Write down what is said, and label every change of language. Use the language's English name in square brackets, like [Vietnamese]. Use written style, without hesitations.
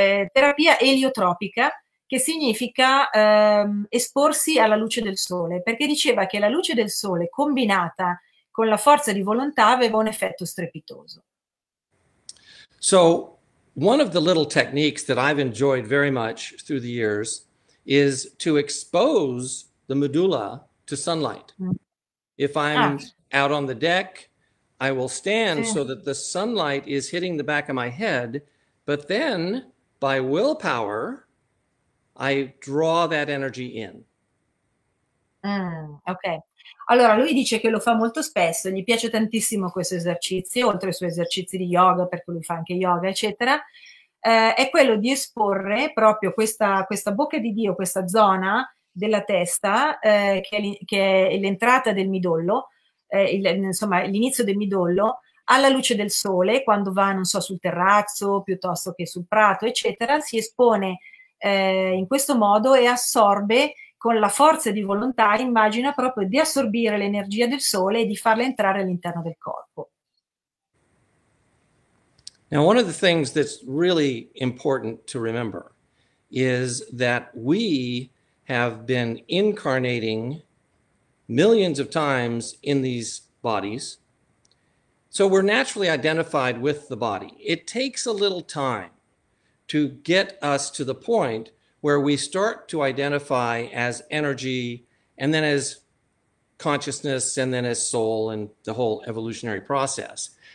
[Italian] Terapia eliotropica, che significa esporsi alla luce del sole, perché diceva che la luce del sole combinata con la forza di volontà aveva un effetto strepitoso. [English] So one of the little techniques that I've enjoyed very much through the years is to expose the medulla to sunlight. If I'm out on the deck I will stand so that the sunlight is hitting the back of my head, but then by willpower, I draw that energy in. Okay. [Italian] Allora, lui dice che lo fa molto spesso, gli piace tantissimo questo esercizio, oltre ai suoi esercizi di yoga, perché lui fa anche yoga, eccetera, è quello di esporre proprio questa bocca di Dio, questa zona della testa, che è l'entrata del midollo, insomma, l'inizio del midollo, alla luce del sole, quando va, non so, sul terrazzo, piuttosto che sul prato, eccetera, si espone in questo modo e assorbe con la forza di volontà, immagina proprio di assorbire l'energia del sole e di farla entrare all'interno del corpo. [English] Now, one of the things that's really important to remember is that we have been incarnating millions of times in these bodies. So we're naturally identified with the body. It takes a little time to get us to the point where we start to identify as energy and then as consciousness and then as soul and the whole evolutionary process.